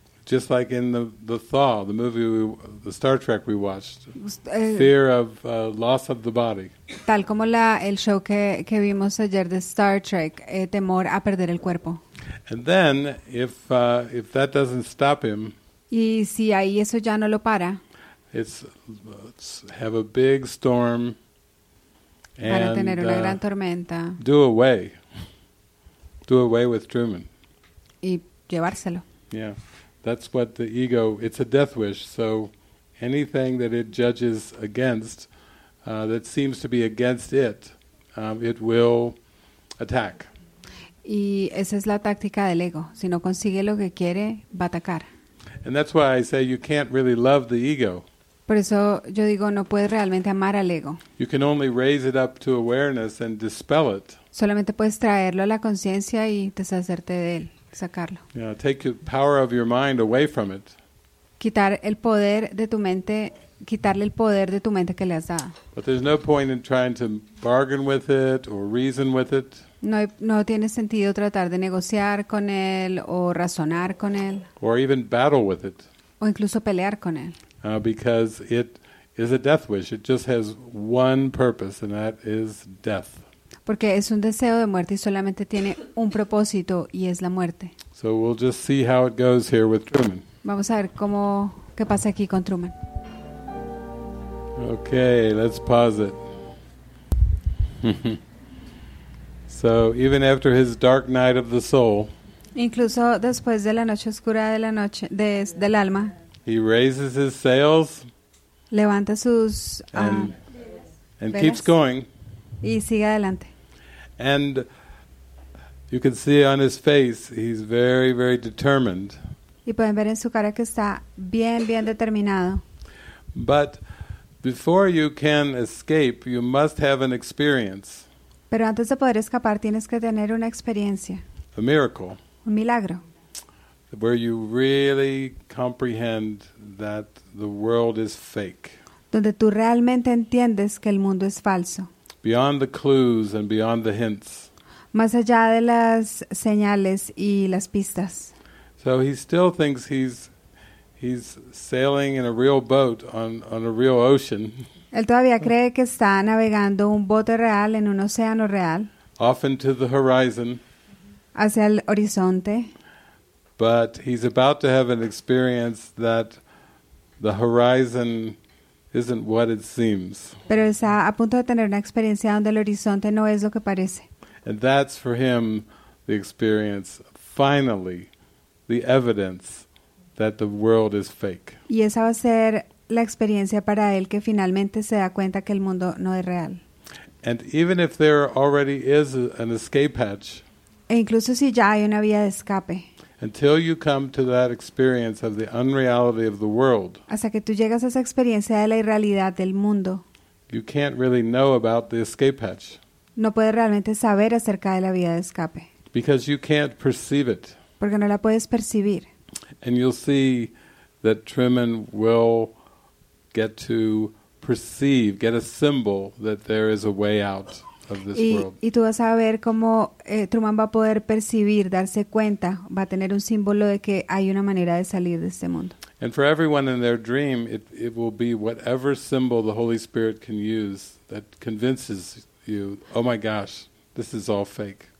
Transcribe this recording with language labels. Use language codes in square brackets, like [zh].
[en] Just like in the Thaw, the movie, the Star Trek we watched, fear of loss of the body. [es] Tal como el show que vimos ayer de Star Trek, temor a perder el cuerpo. [en] And then, if that doesn't stop him, [es] y si ahí eso ya no lo para, [en] it's have a big storm [es] and para tener una gran tormenta. [en] Do away with Truman. [es] Y llevárselo. [en] Yeah. That's what the ego, it's a death wish, so anything that it judges against, that seems to be against it, it will attack. [es] Y esa es la táctica del ego, si no consigue lo que quiere, va a atacar. [en] And that's why I say you can't really love the ego. [es] Por eso yo digo, no puedes realmente amar al ego. [en] You can only raise it up to awareness and dispel it. [es] Solamente puedes traerlo a la conciencia y deshacerte de él. Sacarlo. [en] Yeah, take the power of your mind away from it. [es] Quitar el poder de tu mente, quitarle el poder de tu mente que le has dado. [en] But there's no point in trying to bargain with it or reason with it. [es] No tiene sentido tratar de negociar con él o razonar con él. [en] Or even battle with it. [es] O incluso pelear con él. [en] Because it is a death wish. It just has one purpose, and that is death. [es] Porque es un deseo de muerte y solamente tiene un propósito y es la muerte. [en] So we'll just see how it goes here with Truman. [es] Vamos a ver qué pasa aquí con Truman. [en] Okay, let's pause it. So even after his dark night of the soul, [es] incluso después de la noche oscura de la noche del alma, [en] he raises his sails, [es] levanta sus [en] and keeps going, [es] y sigue adelante. [en] And you can see on his face, he's very, very determined. [es] Y pueden ver en su cara que está bien, bien determinado. [en] But before you can escape, you must have an experience. [es] Pero antes de poder escapar, tienes que tener una experiencia. [en] A miracle. [es] Un milagro. [en] Where you really comprehend that the world is fake. [es] Donde tú realmente entiendes que el mundo es falso. [en] Beyond the clues and beyond the hints. [es] Más allá de las señales y las pistas. [en] So he still thinks he's sailing in a real boat on a real ocean. [es] Él todavía cree que está navegando un bote real en un océano real. [en] Off into the horizon. [es] Hacia el horizonte. [en] But he's about to have an experience that the horizon isn't what it seems. [es] Pero está a punto de tener una experiencia donde el horizonte no es lo que parece. [en] And that's for him the experience, finally, the evidence that the world is fake. [es] Y esa va a ser la experiencia para él que finalmente se da cuenta que el mundo no es real. [en] And even if there already is an escape hatch. [es] E incluso si ya hay una vía de escape. [en] Until you come to that experience of the unreality of the world. [es] Hasta que tú llegas a esa experiencia de la irrealidad del mundo. [en] You can't really know about the escape hatch. [es] No puedes realmente saber acerca de la vía de escape. [en] Because you can't perceive it. [es] Porque no la puedes percibir. [en] And you'll see that Truman will get to perceive, get a symbol that there is a way out of this world. [es] Y tú vas a ver cómo Truman va a poder percibir, darse cuenta, va a tener un símbolo de que hay una manera de salir de este mundo. [en] And for everyone in their dream, it will be whatever symbol the Holy Spirit can use that convinces you, oh my gosh, this is all fake.